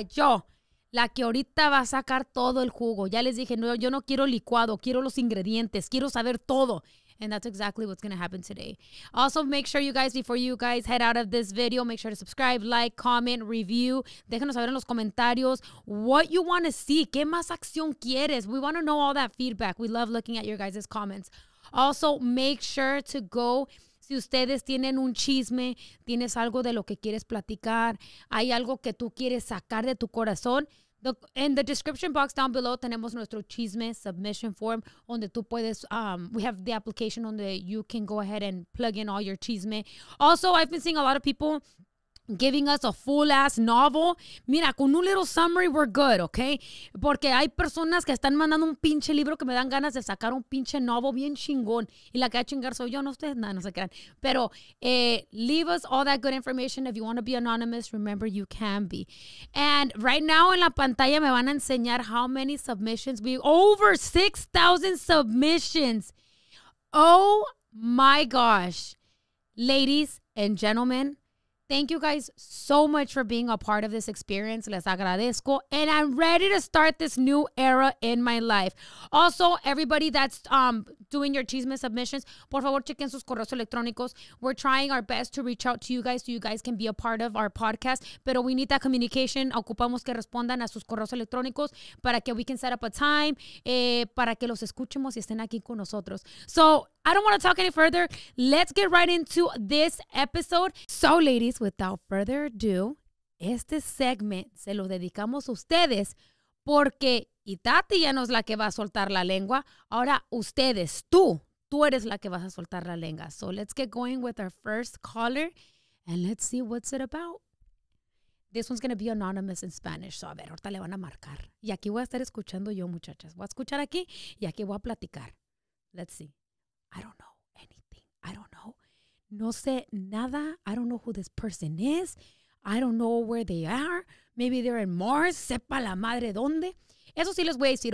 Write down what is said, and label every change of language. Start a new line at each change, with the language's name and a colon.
Spanish: Yo, la que ahorita va a sacar todo el jugo. Ya les dije, no, yo no quiero licuado, quiero los ingredientes, quiero saber todo.
English: And that's exactly what's going to happen today. Also, make sure you guys, before you guys head out of this video, make sure to subscribe, like, comment, review.
Spanish: Déjanos saber en los comentarios
English: what you want to see.
Spanish: ¿Qué más acción quieres?
English: We want to know all that feedback. We love looking at your guys' comments. Also, make sure to go.
Spanish: Si ustedes tienen un chisme, tienes algo de lo que quieres platicar, hay algo que tú quieres sacar de tu corazón,
English: in the description box down below,
Spanish: tenemos nuestro chisme submission form donde tú puedes,
English: we have the application
Spanish: donde
English: you can go ahead and plug in all your
Spanish: chisme.
English: Also, I've been seeing a lot of people giving us a full-ass novel.
Spanish: Mira, con un
English: little summary, we're good, okay?
Spanish: Porque hay personas que están mandando un pinche libro que me dan ganas de sacar un pinche novel bien chingón. Y la que va a chingar soy yo, no ustedes, nada, no se crean. Pero
English: leave us all that good information. If you want to be anonymous, remember you can be. And right now
Spanish: en la pantalla me van a enseñar
English: how many submissions. We over 6,000 submissions. Oh, my gosh. Ladies and gentlemen, thank you guys so much for being a part of this experience.
Spanish: Les agradezco.
English: And I'm ready to start this new era in my life. Also, everybody that's doing your chisme submissions,
Spanish: por favor, chequen sus correos electrónicos.
English: We're trying our best to reach out to you guys so you guys can be a part of our podcast. Pero we need that communication.
Spanish: Ocupamos que respondan a sus correos electrónicos para que
English: we can set up a time,
Spanish: para que los escuchemos y estén aquí con nosotros.
English: So I don't want to talk any further. Let's get right into this episode. So, ladies, without further ado,
Spanish: este segment se lo dedicamos a ustedes porque Itati ya no es la que va a soltar la lengua. Ahora ustedes, tú eres la que vas a soltar la lengua.
English: So, let's get going with our first caller and let's see what's it about. This one's going to be anonymous in Spanish. So,
Spanish: a ver, ahorita le van a marcar. Y aquí voy a estar escuchando yo, muchachas. Voy a escuchar aquí y aquí voy a platicar.
English: Let's see. I don't know anything. I don't know.
Spanish: No sé nada.
English: I don't know who this person is. I don't know where they are. Maybe they're in Mars.
Spanish: Sepa la madre dónde. Eso sí les voy a decir.